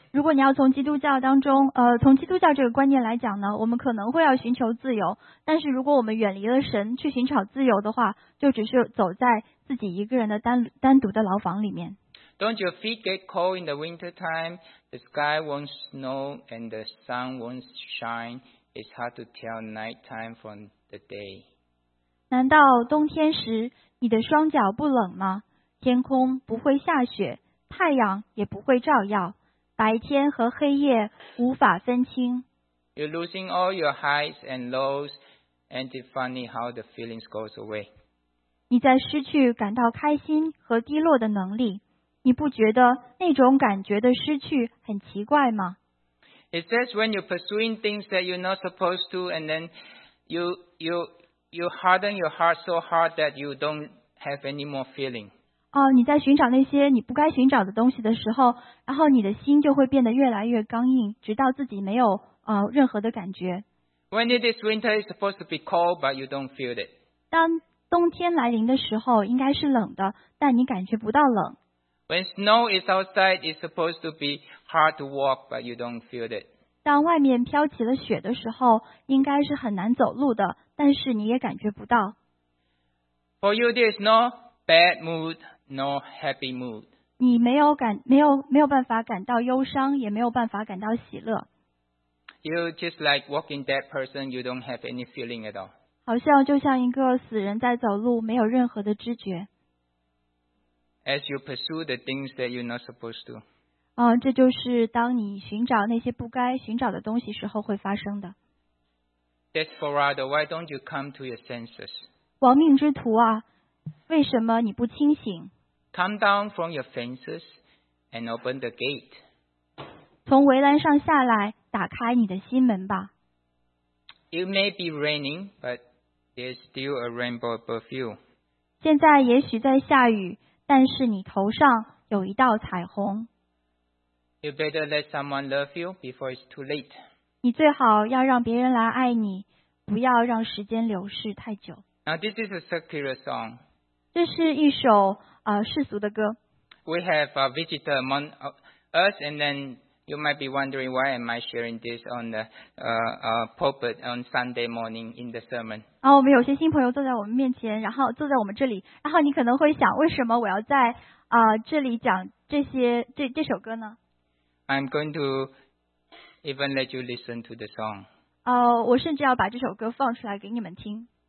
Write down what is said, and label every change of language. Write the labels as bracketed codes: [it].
[zh] 如果你要从基督教当中从基督教这个观念来讲呢，我们可能会要寻求自由，但是如果我们远离了神去寻找自由的话，就只是走在自己一个人的 单独的牢房里面。 [en] Don't your feet get cold in the winter time? The sky won't snow and the sun won't shine. It's hard to tell night time from the day. [zh] 难道冬天时你的双脚不冷吗？天空不会下雪，太阳也不会照耀，白天和黑夜无法分清。 [en] You're losing all your highs and lows, and it's funny how the feelings goes away. [zh] 你在失去感到开心和低落的能力，你不觉得那种感觉的失去很奇怪吗？ [en] It says when you're pursuing things that you're not supposed to, and then you harden your heart so hard that you don't have any more feeling. [zh] 你在寻找那些你不该寻找的东西的时候，然后你的心就会变得越来越刚硬，直到自己没有任何的感觉。 [en] When it is winter, it's supposed to be cold, but you don't feel it. [zh] 当冬天来临的时候，应该是冷的，但你感觉不到冷。 [en] When snow is outside, it's supposed to be hard to walk, but you don't feel it. [zh] 当外面飘起了雪的时候，应该是很难走路的，但是你也感觉不到。 [en] For you, there is no bad mood, no happy mood. [zh] 你没有办法感到忧伤，也没有办法感到喜乐。 [en] You just like walking dead person, you don't have any feeling at all. [zh] 好像就像一个死人在走路，没有任何的知觉。 [en] As you pursue the things that you're not supposed to. [zh] 这就是当你寻找那些不该寻找的东西时候会发生的。 [en] Desperado, why don't you come to your senses? [zh] 亡命之徒啊，为什么你不清醒？ [en] Come down from your fences and open the gate. [zh] 从围栏上下来，打开你的心门吧。 [en] It may be raining, but there's still a rainbow above you. [zh] 现在也许在下雨，但是你头上有一道彩虹。 [en] You better let someone love you before it's too late. [zh] 你最好要让别人来爱你，不要让时间流逝太久。 [en] Now this is a secular song. [zh] 这是一首世俗的歌。 [en] We have a visitor among us, and then you might be wondering why am I sharing this on the pulpit on Sunday morning in the sermon. [zh] 我们有些新朋友坐在我们面前，然后坐在我们这里，然后你可能会想，为什么我要在这里讲这首歌呢？ [en] I'm going to even let you listen to the song. [zh] 我甚至要把这首歌放出来给你们听。